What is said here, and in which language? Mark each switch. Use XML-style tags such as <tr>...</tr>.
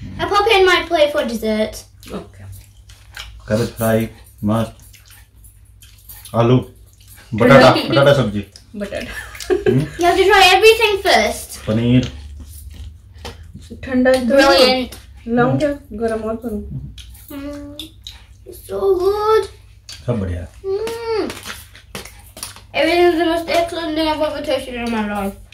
<en>I pop it in my plate for dessert. Okay.</en> <hi>Cabbage fry, mast, आलू, बटाटा, बटाटा सब्जी। बटाटा।</hi> <en>You have to try everything first.</en> <hi>Paneer. ठंडा।</hi> <en>Brilliant.</en> <hi>लाऊं क्या? गरम और करूं?</hi> <en>So good.</en> <hi>सब बढ़िया।</hi> <en>Everything is the most excellent thing I've ever tasted in my life.</en>